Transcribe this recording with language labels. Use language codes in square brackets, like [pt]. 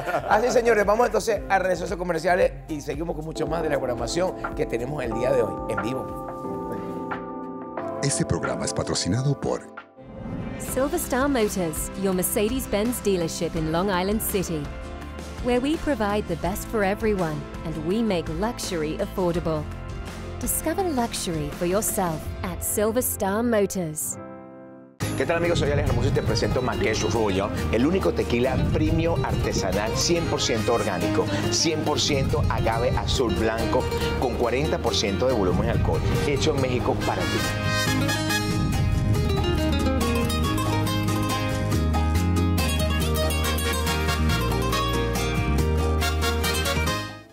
[es] Así señores, vamos entonces a redes sociales comerciales y seguimos con mucho más de la programación que tenemos el día de hoy en vivo. Este programa es patrocinado por [en] Silver Star Motors, your Mercedes-Benz dealership in Long Island City, where we provide the best for everyone and we make luxury affordable. Discover luxury for yourself at Silver Star Motors. [es] ¿Qué tal amigos? Soy Alex Hermoso y te presento Maqueshu Rollo, el único tequila premio artesanal 100% orgánico, 100% agave azul blanco con 40% de volumen de alcohol, hecho en México para ti.